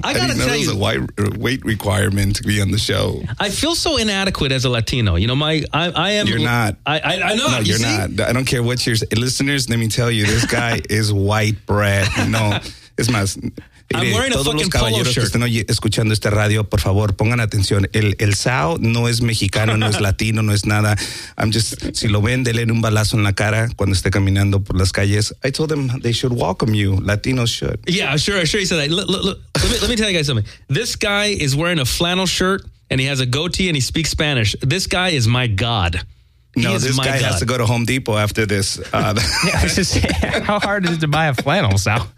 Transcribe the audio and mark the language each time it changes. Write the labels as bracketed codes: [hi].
[en] I gotta tell you, there was a weight requirement to be on the show. I feel so inadequate as a Latino. You know, I am. You're not. I know. No, you're not. I don't care what your listeners. Let me tell you, this guy is white bread. No, it's my. I'm wearing a fucking polo shirt. [es] Están escuchando este radio, por favor, pongan atención. El Sao no es mexicano, no es latino, no es nada. [en] I'm just, [es] si lo ven, denle un balazo en la cara cuando esté caminando por las calles. [en] I told them they should welcome you. Latinos should. Yeah, sure. He said that. Let me tell you guys something. This guy is wearing a flannel shirt and he has a goatee and he speaks Spanish. This guy is my God. No, this guy has to go to Home Depot after this. How hard is it to buy a flannel, Sal?